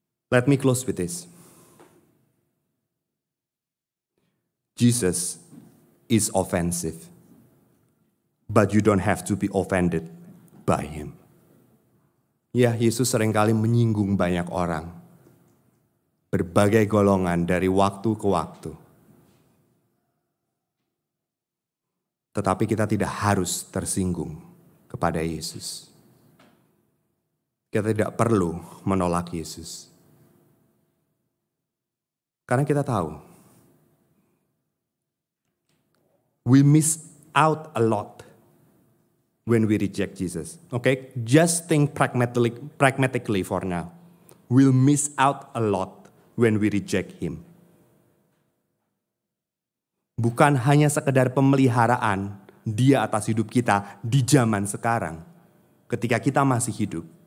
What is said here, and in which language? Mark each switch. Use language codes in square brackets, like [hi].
[en] Let me close with this. Jesus is offensive, but you don't have to be offended by him. [id] Ya, Yesus seringkali menyinggung banyak orang, berbagai golongan dari waktu ke waktu. Tetapi kita tidak harus tersinggung kepada Yesus. Kita tidak perlu menolak Yesus. Karena kita tahu, [en] we miss out a lot when we reject Jesus. Okay, just think pragmatically for now. We'll miss out a lot when we reject him. [id] Bukan hanya sekedar pemeliharaan dia atas hidup kita di zaman sekarang, ketika kita masih hidup.